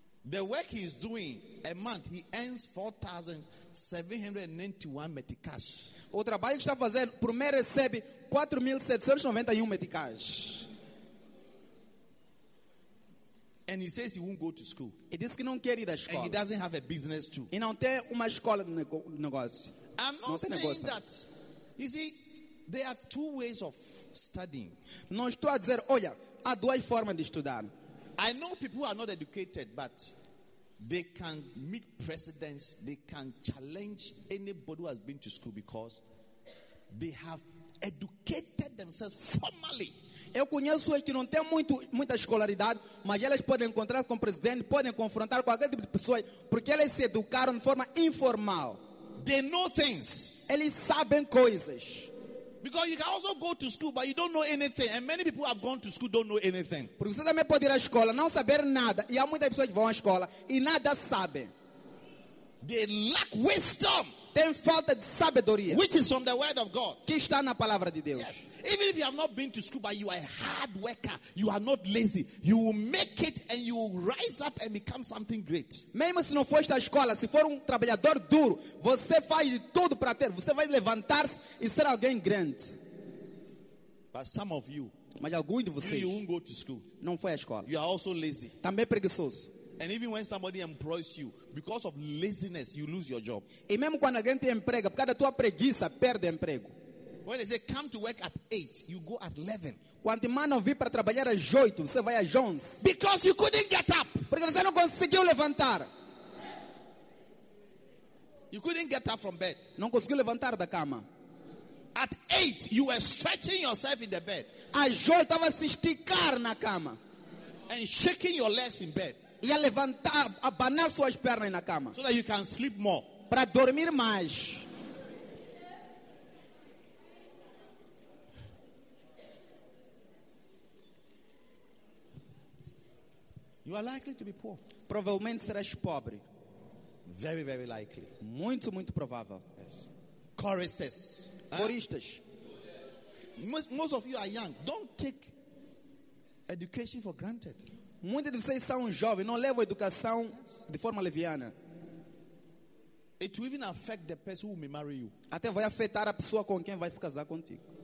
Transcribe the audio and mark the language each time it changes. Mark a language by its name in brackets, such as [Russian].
[English] The work he is doing a month, he earns 4,791 meticais. [Portuguese] O trabalho que está fazendo, por mês recebe 4,791 meticais. [English] And he says he won't go to school. [Portuguese] Ele diz que não quer ir à escola. [English] And he doesn't have a business too. [Portuguese] E não tem uma escola de negócio. [English] I'm not saying negócio. That. You see, there are two ways of studying. [Portuguese] Não estou a dizer, olha, há duas formas de estudar. [English] I know people who are not educated, but they can meet presidents, they can challenge anybody who has been to school because they have educated themselves formally. [Portuguese] Eu conheço pessoas que não têm muita escolaridade, mas elas podem encontrar com o presidente, podem confrontar com qualquer tipo de pessoa, porque elas se educaram de forma informal. [English] They know things. [Portuguese] Eles sabem coisas. [English] Because you can also go to school, but you don't know anything. And many people who have gone to school don't know anything. [Portuguese] Porque você também pode ir à escola, não saber nada. E há muitas pessoas que vão à escola e nada sabem. [English] They lack wisdom. [Portuguese] Tem falta de sabedoria. [English] Which is from the word of God. [Portuguese] Que está na palavra de Deus. [English] Yes. Even if you have not been to school, but you are a hard worker, you are not lazy. You will make it and you will rise up and become something great. [Portuguese] Mesmo se não foste à escola, se for trabalhador duro, você faz de tudo para ter. Você vai levantar-se e ser alguém grande. [English] But some of you, [Portuguese] mas alguns de vocês, [English] you won't go to school. [Portuguese] Não foi à escola. [English] You are also lazy. [Portuguese] Também preguiçoso. [English] And even when somebody employs you, because of laziness, you lose your job. [Portuguese] E mesmo quando alguém te emprega, por causa da tua preguiça, perde emprego. [English] When they say come to work at 8, you go at 11. [Portuguese] Quando te mandam vir para trabalhar às 8, você vai às 11. [English] Because you couldn't get up. [Portuguese] Porque você não conseguiu levantar. [English] You couldn't get up from bed. [Portuguese] Não conseguiu levantar da cama. [English] At 8, you were stretching yourself in the bed. [Portuguese] Às 8, estava se esticar na cama. [English] And shaking your legs in bed. [Portuguese] E a levantar, abanar suas pernas na cama. [English] So that you can sleep more. [Portuguese] Para dormir mais. [English] You are likely to be poor. [Portuguese] Provavelmente serás pobre. [English] Very, very likely. [Portuguese] Muito, muito provável. [English] Yes. Choristers. [Portuguese] Choristas. [English] Most of you are young. Don't take education for granted. [Portuguese] Muitos de vocês são jovens, não levam a educação de forma leviana. [English] It will even affect the person who may marry you. [Portuguese] Até vai afetar a pessoa com quem vai se casar contigo.